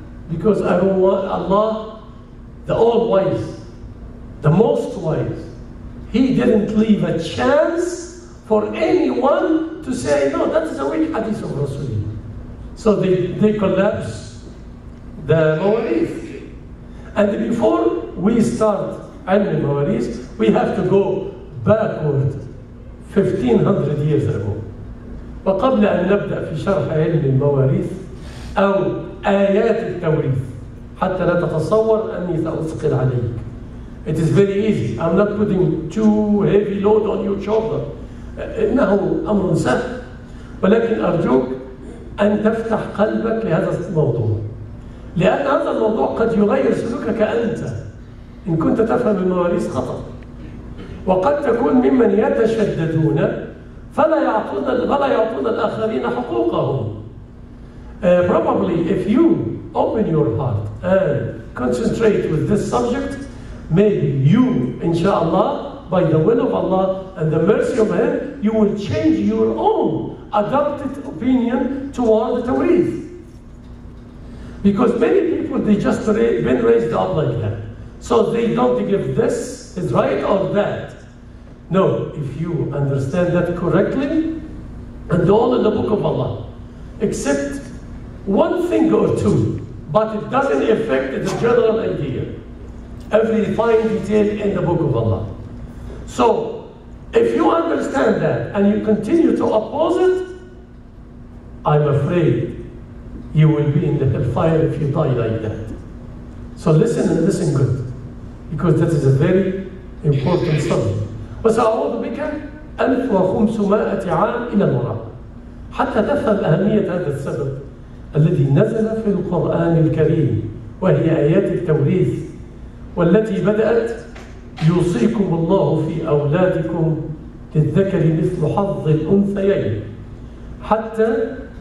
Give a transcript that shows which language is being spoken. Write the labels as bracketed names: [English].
[English] Because I don't want Allah, the all wise, the most wise, He didn't leave a chance for anyone to say, no, that is a weak hadith of Rasulullah. So they collapse the Mawlid. And before we start Ilm al-Mawaris, we have to go backward 1500 years ago. [Arabic] وقبل أن نبدأ في شرح علم المواريث أو آيات التوريث حتى لا تتصور أني سأثقل عليك. [English] It is very easy. I'm not putting too heavy load on your shoulder. [Arabic] إنه أمر سهل. ولكن أرجوك أن تفتح قلبك لهذا الموضوع. لأن هذا الموضوع قد يغير سلوكك أنت إن كنت تفهم المواريث خطأ. وقد تكون ممن يتشددون فلا يعطون الآخرين حقوقهم. [English] Probably if you open your heart and concentrate with this subject, maybe you, inshallah, by the will of Allah and the mercy of Him, you will change your own adopted opinion toward the Tawreeth. Because many people, they just been raised up like that. So they don't give this is right or that. No, if you understand that correctly, and all in the book of Allah, except one thing or two, but it doesn't affect the general idea. Every fine detail in the book of Allah. So, if you understand that and you continue to oppose it, I'm afraid you will be in the hellfire if you die like that. So listen and listen good, because that is a very important subject. [Arabic] وسأعوذ بك 1500 عام إلى الوراء حتى تفهم أهمية هذا السبب الذي نزل في القرآن الكريم وهي آيات التوريث والتي بدأت يوصيكم الله في أولادكم للذكر مثل حظ الأنثيين حتى